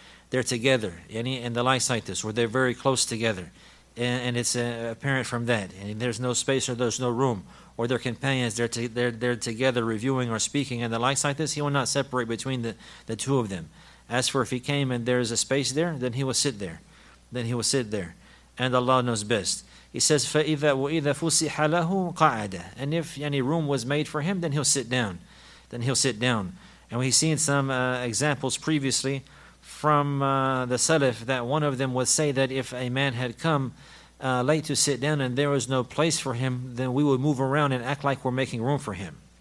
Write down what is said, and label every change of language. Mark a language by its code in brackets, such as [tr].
[en] And the likes like this, where they're very close together. And it's apparent from that. And there's no space or there's no room. Or their companions, they're together reviewing or speaking. And the likes like this, he will not separate between the two of them. As for if he came and there is a space there, then he will sit there. And Allah knows best. He says, [ar] فَإِذَا وَإِذَا فُسِحَ لَهُ قَعَدَ. [en] And if any room was made for him, then he'll sit down. And we've seen some examples previously from the Salaf, that one of them would say that if a man had come late to sit down and there was no place for him, then we would move around and act like we're making room for him.